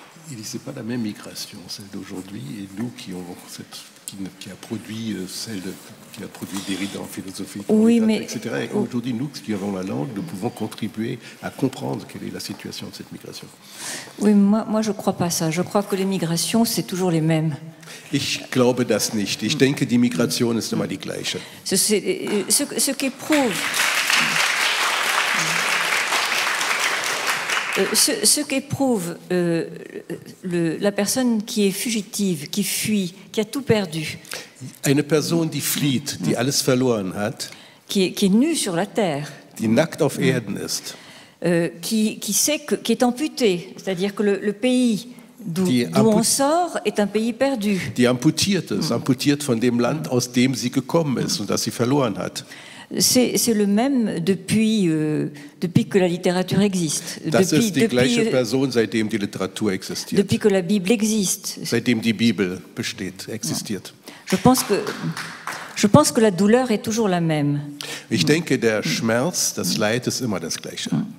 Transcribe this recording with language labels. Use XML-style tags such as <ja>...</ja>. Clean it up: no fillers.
<fr>Et c'est pas la même migration, celle d'aujourd'hui et nous qui avons cette qui a produit celle qui a produit Derrida en philosophie, oui, mais etc. Et aujourd'hui, nous qui avons la langue, nous pouvons contribuer à comprendre quelle est la situation de cette migration. Oui, moi je ne crois pas ça. Je crois que les migrations, c'est toujours les mêmes.</fr> <de>Ich glaube das nicht. Ich denke, die Migration ist immer die gleiche.</de> <fr>Ce qui prouve. Ce qu'éprouve la personne qui est fugitive, qui fuit, qui a tout perdu.</fr> <de>Eine Person, die flieht, die alles verloren hat.</de> <fr>Qui est nue sur la terre.</fr> <de>Die nackt auf Erden ist.</de> <fr>Qui sait que, qui est amputée, c'est-à-dire que le pays d'où on sort est un pays perdu.</fr> <de>Die amputiert ist, amputiert von dem Land, aus dem sie gekommen ist und das sie verloren hat.</de> <fr>C'est le même depuis que la littérature existe.</fr> <de>Das ist die gleiche Person, seitdem die Literatur existiert.</de> <fr>Depuis que la Bible existe.</fr> <de>Seitdem die Bibel besteht, existiert.</de> <fr>Je pense que la douleur est toujours la même.</fr> <de>Ich denke, der Schmerz, das Leid ist immer das gleiche.</de>